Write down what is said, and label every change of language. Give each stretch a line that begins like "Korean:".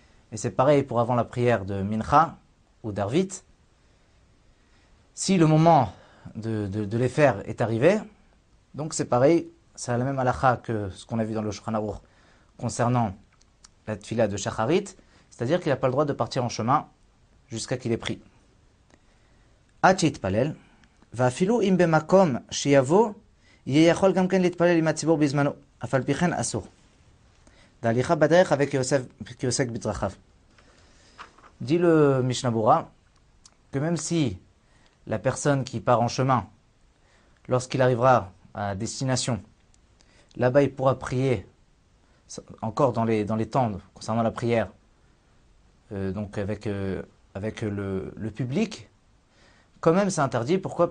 French: Et c'est pareil pour avant la prière de mincha ou d'arvit. Si le moment de les faire est arrivé, donc c'est pareil, c'est la même halakha que ce qu'on a vu dans le Shulchan Aruch concernant la tfila de shacharit, c'est-à-dire qu'il n'a pas le droit de partir en chemin jusqu'à qu'il ait pris.
Hebrew: עד שיתפלל, ואפילו אם במקום שיבוא, יהיה יכול גם כן להתפלל עם הציבור בזמנו, אף על פי כן אסור. דהליכה בדרך וכי עוסק בדרכיו.
French: Dit le Mishnah Berurah, que même si la personne qui part en chemin, lorsqu'il arrivera à destination, là-bas il pourra prier, encore dans les temps concernant la prière, donc avec le public, quand même, c'est interdit. Pourquoi ?